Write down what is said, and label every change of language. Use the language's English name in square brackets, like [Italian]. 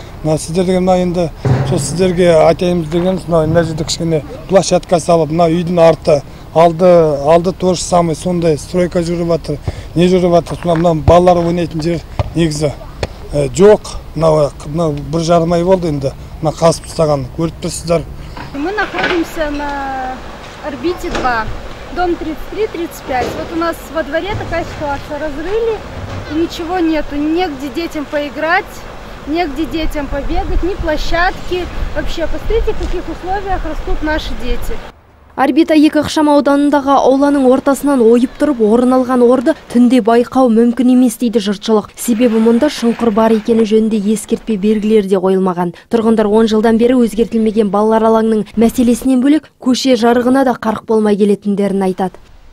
[Kazakh] Мына сіздерге мына енді сол сіздерге айтайын деген, мына жерде кішкене площадка салып, мына үйдің арты алды [Russian] тоже самый [Kazakh] сондай стройка жүріп атыр, не жүріп атыр, мына балалар ойнайтын жер негізі жоқ. Мына бір жарым ай болды енді мына қасып тастаған, көріп тұрсыздар. [Russian] Мы находимся на орбите 2, дом 33-35. Вот у нас во дворе такая ситуация, разрыли, и ничего нету, негде детям поиграть. Негде детям побегать, ни площадки. Вообще, посмотрите, в каких условиях растут наши дети. [Kazakh] Орбита 2 ықшамауданындағы ауланың ортасынан ойып тұрып, орын алған орды түнде байқау мүмкін емес дейді жұртшылық. Себебі мұнда шұңқыр бар екені жөнінде ескертпе белгілер де қойылмаған. Тұрғындар 10 жылдан бері өзгертілмеген балалар алаңының мәселесінен бөлек, көше жарығына да қарық болмай келетіндерін айтады.